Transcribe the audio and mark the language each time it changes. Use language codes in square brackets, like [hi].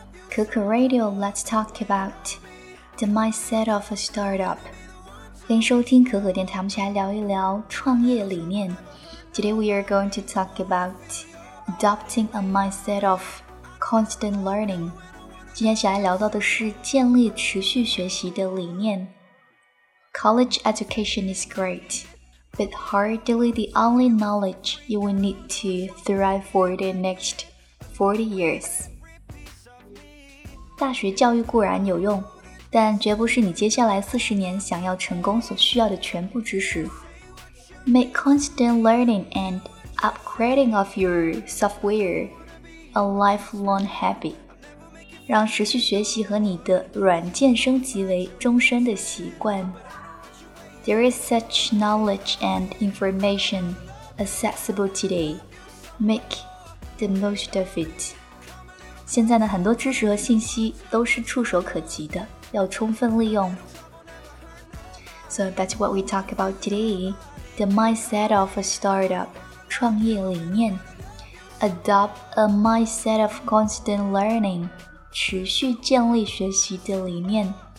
[en] Cuckoo Radio, let's talk about the mindset of a startup. [zh] 欢迎收听可可电台，我们一起来聊一聊创业理念。 [en] Today we are going to talk about adopting a mindset of constant learning. [zh] 今天想要聊到的是建立持续学习的理念。 [en] College education is great, but hardly the only knowledge you will need to thrive for the next 40 years. [zh] 大学教育固然有用，但绝不是你接下来40年想要成功所需要的全部知识。 [en] Make constant learning and upgrading of your software a lifelong habit. [zh] 让持续学习和你的软件升级为终身的习惯。 [en] There is such knowledge and information accessible today. Make the most of it. [zh] 现在呢，很多知识和信息都是触手可及的，要充分利用。 [en] So that's what we talk about today. The mindset of a startup, [zh] 创业理念。 [en] Adopt a mindset of constant learning, [zh] 持续建立学习的理念。